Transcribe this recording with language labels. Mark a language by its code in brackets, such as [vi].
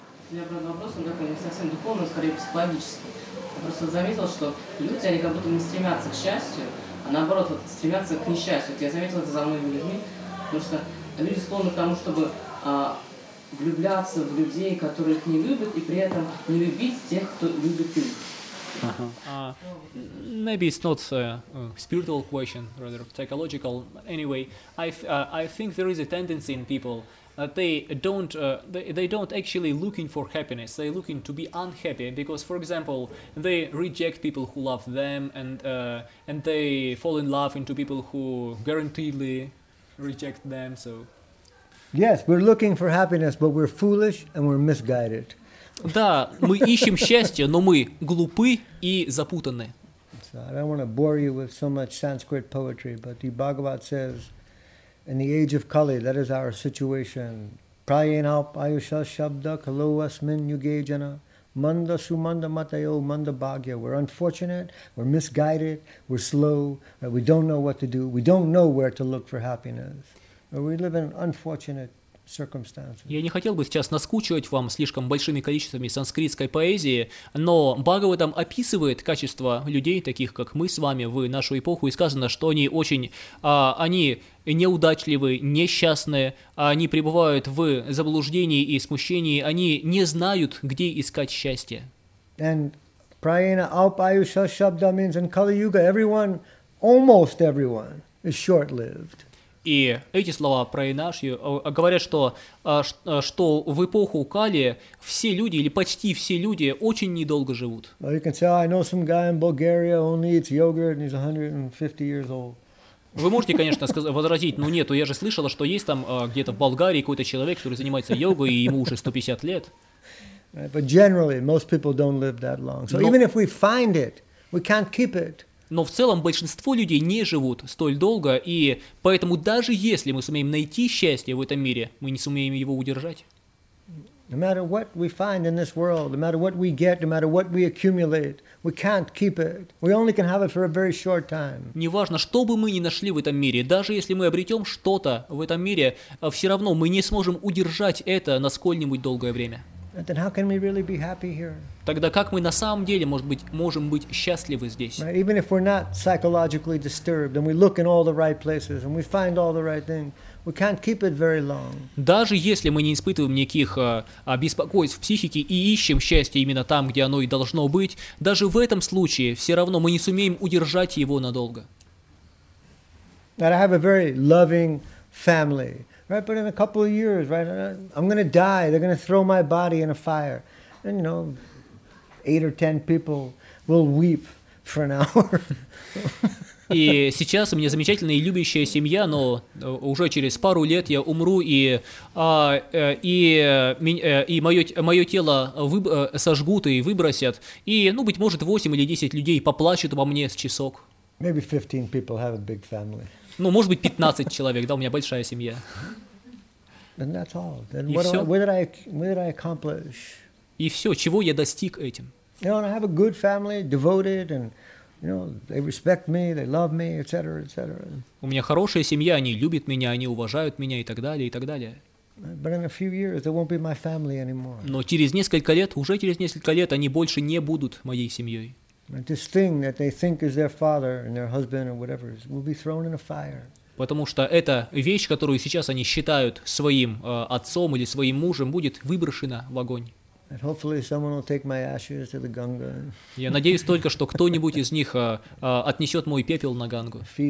[ru] меня был вопрос, он такой не совсем духовный, скорее психологический. Я просто заметила, что люди, они как будто не стремятся к счастью, а наоборот, вот, стремятся к несчастью. Вот я заметила это за многими людьми, потому что люди склонны к тому, чтобы влюбляться в людей, которые их не любят, и при этом не любить тех, кто любит их. [en] Maybe it's not a spiritual question, rather psychological. Anyway, I think there is a tendency in people that they don't actually looking for happiness. They looking to be unhappy because, for example, they reject people who love them and they fall in love into people who guaranteedly reject them. So yes, we're looking for happiness, but we're foolish and we're misguided. [ru] Да, мы ищем счастье, но мы глупы и запутаны. [en] So I don't want to bore you with so much Sanskrit poetry, but the Bhagavad says, in the age of Kali, that is our situation. [sa] Prayena ayusha shabda kalo asmin yuge jana manda sumanda matayo manda bhagya. [en] We're unfortunate, we're misguided, we're slow, we don't know what to do, we don't know where to look for happiness. We live in unfortunate [ru] Я не хотел бы сейчас наскучивать вам слишком большими количествами санскритской поэзии, но Бхагаватам описывает качество людей, таких как мы с вами, в нашу эпоху, и сказано, что они они неудачливы, несчастны, они пребывают в заблуждении и смущении, они не знают, где искать счастье. [en] And [sa] prayena aupayusha shabda [en] means in Kali Yuga everyone, almost everyone, is short-lived. [ru] И эти слова про Инашью говорят, что в эпоху Кали все люди, или почти все люди, очень недолго живут. [en] Well, you can say, I know some guy in Bulgaria, only eats yogurt, and he's 150 years old. [ru] Вы можете, конечно, возразить, но нет, я же слышала, что есть там где-то в Болгарии какой-то человек, который занимается йогой, и ему уже 150 лет. [en] Right, but generally, most people don't live that long. So even if we find it, we can't keep it. [ru] Но в целом большинство людей не живут столь долго, и поэтому даже если мы сумеем найти счастье в этом мире, мы не сумеем его удержать. Неважно, что бы мы ни нашли в этом мире, даже если мы обретем что-то в этом мире, все равно мы не сможем удержать это на сколь-нибудь долгое время. [en] Then how can we really be happy here? [ru] Тогда как мы на самом деле, может быть, можем быть счастливы здесь? [en] Right? Even if we're not psychologically disturbed and we look in all the right places and we find all the right things, we can't keep it very long. [ru] Даже если мы не испытываем никаких беспокойств в психике и ищем счастье именно там, где оно и должно быть, даже в этом случае все равно мы не сумеем удержать его надолго. [en] That I have a very loving family. Right, but in a couple of years, right, I'm going to die. They're going to throw my body in a fire. And, you know, 8 or 10 people will weep for an hour. [ru] И сейчас у меня замечательная и любящая семья, но уже через пару лет я умру, и мое тело сожгут и выбросят. И, ну, быть может, 8 или 10 людей поплачут обо мне с часок. [en] Maybe 15 people have a big family. [ru] Ну, может быть, 15 человек, да, у меня большая семья. [en] And that's all. Then what did I accomplish? [ru] И все, чего я достиг этим? [en] You know, and I have a good family, devoted, and you know, they respect me, they love me, etc., etc. [ru] У меня хорошая семья, они любят меня, они уважают меня и так далее, и так далее. [en] But in a few years, they won't be my family anymore. [ru] Но через несколько лет, уже через несколько лет, они больше не будут моей семьей. [en] And this thing that they think is their father and their husband or whatever will be thrown in a fire. [ru] Потому что эта вещь, которую сейчас они считают своим отцом или своим мужем, будет выброшена в огонь. Я надеюсь только, что кто-нибудь из них отнесет мой пепел на Гангу.